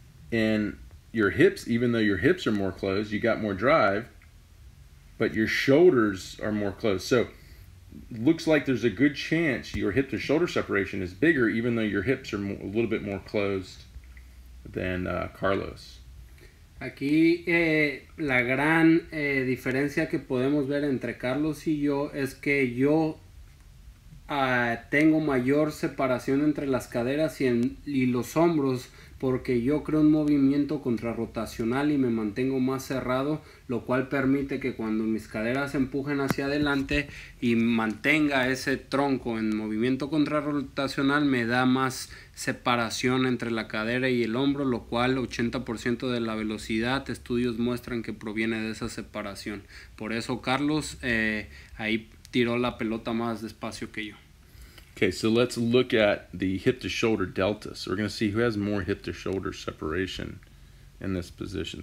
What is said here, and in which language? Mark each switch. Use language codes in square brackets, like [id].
[en] And your hips, even though your hips are more closed, you got more drive, but your shoulders are more closed. So looks like there's a good chance your hip to shoulder separation is bigger, even though your hips are a little bit more closed than Carlos. [es] Aquí la gran diferencia que podemos ver entre Carlos y yo es que yo Tengo mayor separación entre las caderas y los hombros porque yo creo un movimiento contrarrotacional y me mantengo más cerrado, lo cual permite que cuando mis caderas empujen hacia adelante y mantenga ese tronco en movimiento contrarrotacional, me da más separación entre la cadera y el hombro, lo cual 80% de la velocidad, estudios muestran que proviene de esa separación. Por eso Carlos ahí tiró la pelota más despacio que yo. [en] Okay, so let's look at the hip-to-shoulder delta. So we're going to see who has more hip-to-shoulder separation in this position.